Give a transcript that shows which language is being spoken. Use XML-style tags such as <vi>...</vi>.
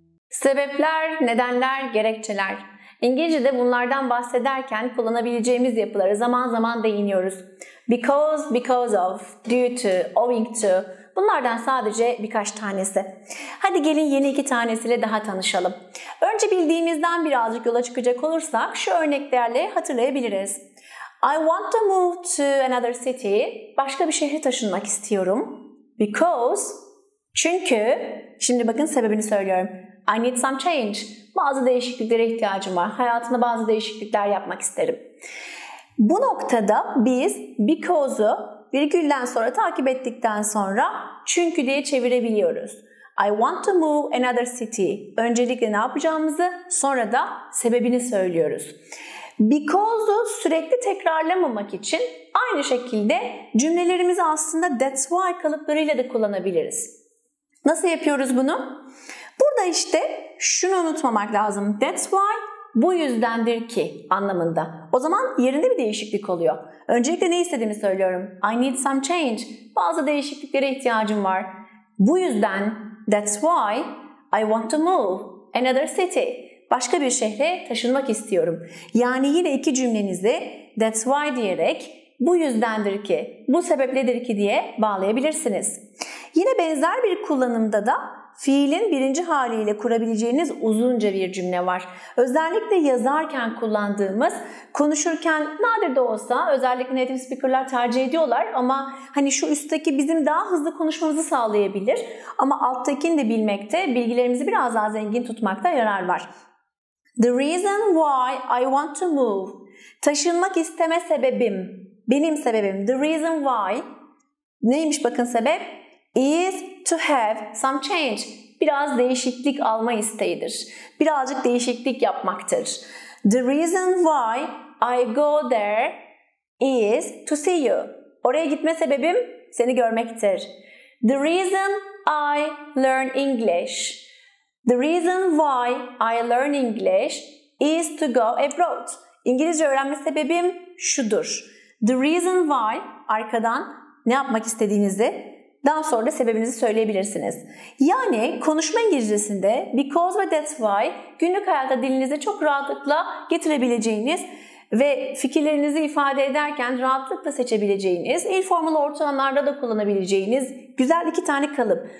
<tr>Sebepler, nedenler, gerekçeler. İngilizce'de bunlardan bahsederken kullanabileceğimiz yapılara zaman zaman değiniyoruz. Because, because of, due to, owing to. Bunlardan sadece birkaç tanesi. Hadi gelin yeni iki tanesiyle daha tanışalım. Önce bildiğimizden birazcık yola çıkacak olursak şu örneklerle hatırlayabiliriz.</tr> <en>I want to move to another city.</en> <tr>Başka bir şehre taşınmak istiyorum.</tr> <en>Because,</en> <tr>çünkü, şimdi bakın sebebini söylüyorum.</tr> <en>I need some change.</en> <tr>Bazı değişikliklere ihtiyacım var. Hayatımda bazı değişiklikler yapmak isterim. Bu noktada biz because'u virgülden sonra takip ettikten sonra çünkü diye çevirebiliyoruz.</tr> <en>I want to move another city.</en> <tr>Öncelikle ne yapacağımızı, sonra da sebebini söylüyoruz. Because'u sürekli tekrarlamamak için aynı şekilde cümlelerimizi aslında</tr> <en>that's why</en> <tr>kalıplarıyla da kullanabiliriz. Nasıl yapıyoruz bunu? Burada işte şunu unutmamak lazım.</tr> <en>That's why,</en> <tr>bu yüzdendir ki anlamında. O zaman yerinde bir değişiklik oluyor. Öncelikle ne istediğimi söylüyorum.</tr> <en>I need some change.</en> <tr>Bazı değişikliklere ihtiyacım var. Bu yüzden,</tr> <en>that's why I want to move another city.</en> <tr>Başka bir şehre taşınmak istiyorum. Yani yine iki cümlenizi</tr> <en>that's why</en> <tr>diyerek bu yüzdendir ki, bu sebepledir ki diye bağlayabilirsiniz. Yine benzer bir kullanımda da fiilin birinci haliyle kurabileceğiniz uzunca bir cümle var. Özellikle yazarken kullandığımız, konuşurken nadir de olsa özellikle native speakerlar tercih ediyorlar ama hani şu üstteki bizim daha hızlı konuşmamızı sağlayabilir ama alttakini de bilmekte, bilgilerimizi biraz daha zengin tutmakta yarar var.</tr> <en>The reason why I want to move.</en> <tr>Taşınmak isteme sebebim, benim sebebim.</tr> <en>The reason why.</en> <tr>Neymiş bakın sebep?</tr> <en>Is to have some change.</en> <tr>Biraz değişiklik alma isteğidir. Birazcık değişiklik yapmaktır.</tr> <en>The reason why I go there is to see you.</en> <tr>Oraya gitme sebebim seni görmektir.</tr> <en>The reason I learn English. The reason why I learn English is to go abroad.</en> <tr>İngilizce öğrenme sebebim şudur.</tr> <en>The reason why</en> <tr>arkadan ne yapmak istediğinizi daha sonra da sebebinizi söyleyebilirsiniz. Yani konuşma İngilizcesinde because ve that's why günlük hayatta dilinize çok rahatlıkla getirebileceğiniz ve fikirlerinizi ifade ederken rahatlıkla seçebileceğiniz, il formal ortamlarda da kullanabileceğiniz güzel iki tane kalıp.</tr>